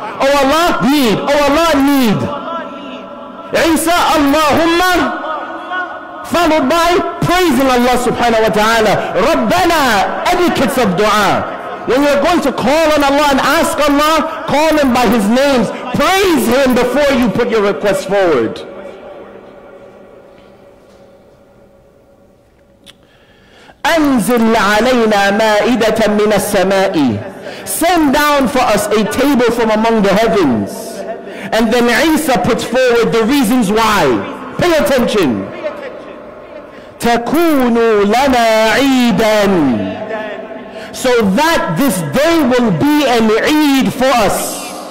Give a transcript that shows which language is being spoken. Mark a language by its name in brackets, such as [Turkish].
[English] O Allah, need. O Allah, need. Isa, Allahumma, followed by praising Allah subhanahu wa ta'ala. Rabbana, etiquettes of dua. When you're going to call on Allah and ask Allah, call Him by His names. Praise Him before you put your request forward. [Arabic] أنزل علينا مائدة من السماء. [English] Send down for us a table from among the heavens. And then Isa puts forward the reasons why. Pay attention. [Arabic] تكون لنا عيدا. [English] So that this day will be an Eid for us.